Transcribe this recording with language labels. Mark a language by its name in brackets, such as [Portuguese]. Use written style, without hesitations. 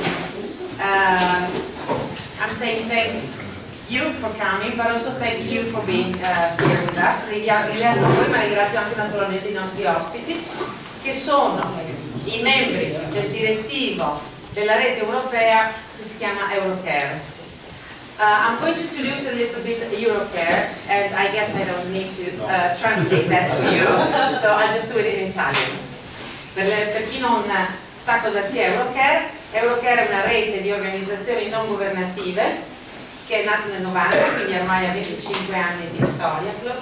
[English] I'm saying thank you for coming, but also thank you for being here with us. [Italian] Ringrazio voi, ma ringrazio anche naturalmente i nostri ospiti, che sono i membri del direttivo della rete europea che si chiama Eurocare. [English] I'm going to introduce a little bit Eurocare, and I guess I don't need to translate that for you, so I'll just do it in Italian. [Italian] Per chi non sa cosa sia Eurocare, Eurocare è una rete di organizzazioni non governative che è nata nel 90, quindi ormai ha 25 anni di storia.